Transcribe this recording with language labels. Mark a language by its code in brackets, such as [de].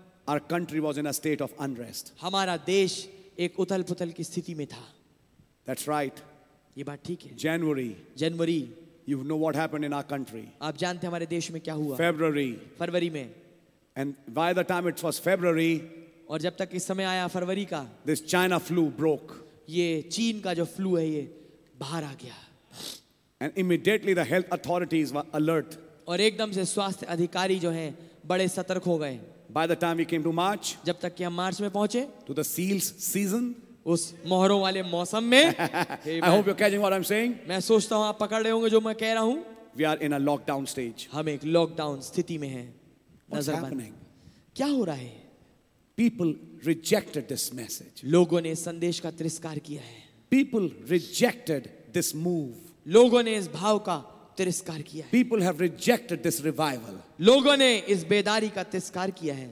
[en] Our country was in a state of unrest. [hi] हमारा देश एक उथल-पुथल की स्थिति में था. [en] That's right. [hi] ये बात ठीक है. [en] January. January. You know what happened in our country. [hi] आप जानते हमारे देश में क्या हुआ. [en] February. [hi] फरवरी में. [en] And by the time it was February, [hi] और जब तक इस समय आया फरवरी का, [en] this China flu broke. [hi] ये चीन का जो फ्लू है ये बाहर आ गया. [en] And immediately the health authorities were alert. [hi] और एकदम से स्वास्थ्य अधिकारी जो हैं बड़े सतर्क हो गए. [en] By the time we came to March, [hi] जब तक कि हम मार्च में पहुंचे, [en] to the seals season, [hi] उस मोहरों वाले मौसम में. [en] I hope you're catching what I'm saying. [hi] मैं सोचता हूँ आप पकड़ रहे होंगे जो मैं कह रहा हूँ. [en] We are in a lockdown stage. [hi] हम एक लॉकडाउन स्थिति में हैं. [en] What's happening? [hi] क्या हो रहा है? [en] People rejected this message. [hi] लोगों ने संदेश का तिरस्कार किया है. [en] People rejected this move. [hi] लोगों ने इस भाव का तिरस्कार किया है. [en] People have rejected this revival. [hi] लोगों ने इस बेदारी का तिरस्कार किया है.